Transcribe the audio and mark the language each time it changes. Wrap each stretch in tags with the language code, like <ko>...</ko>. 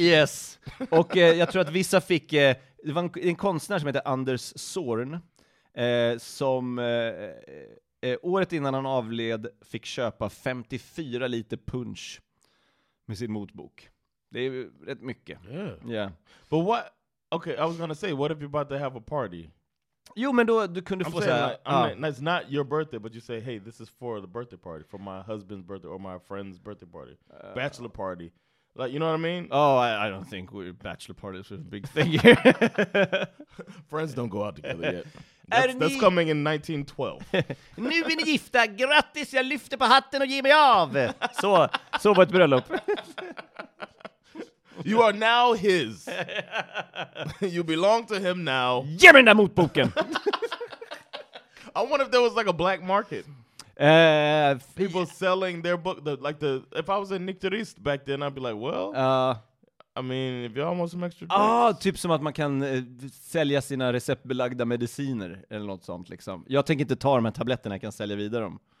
<en>Yes.</en> <sv>Och jag tror att vissa fick... det var en konstnär som heter Anders Zorn som året innan han avled fick köpa 54 liter punch med sin motbok. Det är rätt mycket.</sv> <en>Yeah. But what? Okay, I was gonna say, what if you're about to have a party?</en> <sv>Jo, men då du kunde få säga,</sv> <en>like, it's not your birthday, but you say, hey, this is for the birthday party, for my husband's birthday or my friend's birthday party, bachelor party. Like, you know what I mean? Oh, I don't think we're bachelor parties is a big thing here. Friends don't go out together yet. That's coming in 1912.</en> <sv>Nu är ni gifta. Grattis, jag lyfter på hatten och ger mig av. Så på ett bröllop.</sv> <en>You are now his. You belong to him now.</en> <sv>Ge mig den där motboken.</sv> <en>I wonder if there was like a black market. People selling their book, if I was a nykterist back then, I'd be like, well, I mean, if you almost some extra drinks.</en> <sv>Ah, typ som att man kan sälja sina receptbelagda mediciner eller något sånt liksom. Jag tänker inte ta de här tabletterna, jag kan sälja vidare dem.</sv>